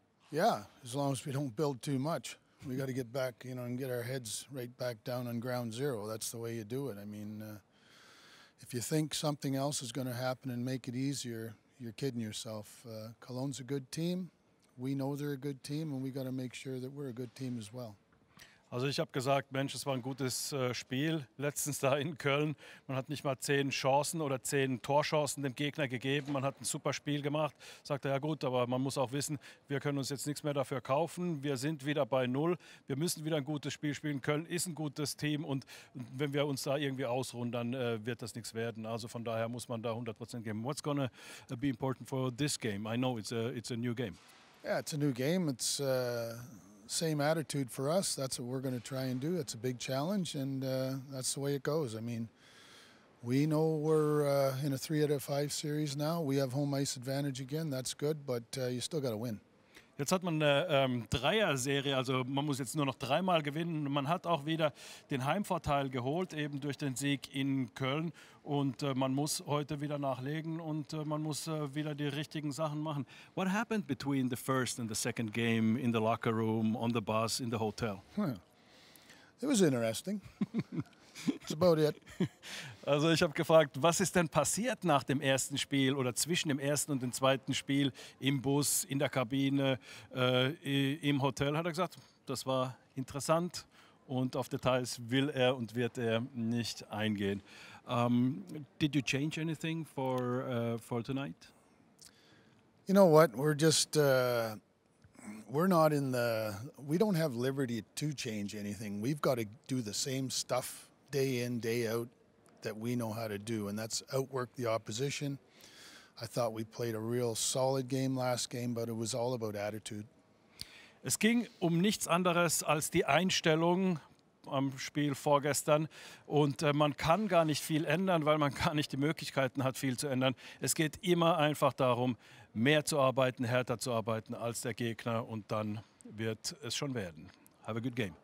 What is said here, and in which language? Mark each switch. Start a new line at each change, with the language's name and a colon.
English: Yeah, as long as we don't build too much. We got to get back, you know, and get our heads right back down on ground zero. That's the way you do it. I mean, if you think something else is going to happen and make it easier, you're kidding yourself. Cologne's a good team. We know they're a good team, and we got to make sure that we're a good team as well.
German: Also ich habe gesagt, Mensch, es war ein gutes Spiel letztens da in Köln. Man hat nicht mal 10 Chancen oder 10 Torchancen dem Gegner gegeben. Man hat ein super Spiel gemacht. Sagt er, ja gut, aber man muss auch wissen, wir können uns jetzt nichts mehr dafür kaufen. Wir sind wieder bei Null. Wir müssen wieder ein gutes Spiel spielen. Köln ist ein gutes Team und wenn wir uns da irgendwie ausruhen, dann wird das nichts werden. Also von daher muss man da 100% geben.
English: What's gonna be important for this game? I know it's a new game. Yeah, it's a new game. It's same attitude for us. That's what we're going to try and do. It's a big challenge, and that's the way it goes. I mean, we know we're in a 3 out of 5 series now. We have home ice advantage again. That's good, but you still got to win.
German: Jetzt hat man eine Dreier-Serie, also man muss jetzt nur noch 3-mal gewinnen. Man hat auch wieder den Heimvorteil geholt, eben durch den Sieg in Köln. Und man muss heute wieder nachlegen und man muss wieder die richtigen Sachen machen.
English: What happened between the first and the second game in the locker room, on the bus, in the hotel? Huh. It was interesting. It's about it.
German: Also ich habe gefragt, was ist denn passiert nach dem ersten Spiel oder zwischen dem ersten und dem zweiten Spiel im Bus, in der Kabine, im Hotel, hat er gesagt, das war interessant und auf Details will er und wird er nicht eingehen.
English: Did you change anything for tonight? You know what, we're just, we're not in the, we don't have liberty to change anything. We've got to do the same stuff day in, day out, that we know how to do, and that's outwork the opposition. I thought we played a real solid game last game, but it was all about attitude.
German: Es ging um nichts anderes als die Einstellung am Spiel vorgestern. Und man kann gar nicht viel ändern, weil man gar nicht die Möglichkeiten hat, viel zu ändern. Es geht immer einfach darum, mehr zu arbeiten, härter zu arbeiten als der Gegner, und dann wird es schon werden.
English: Have a good game.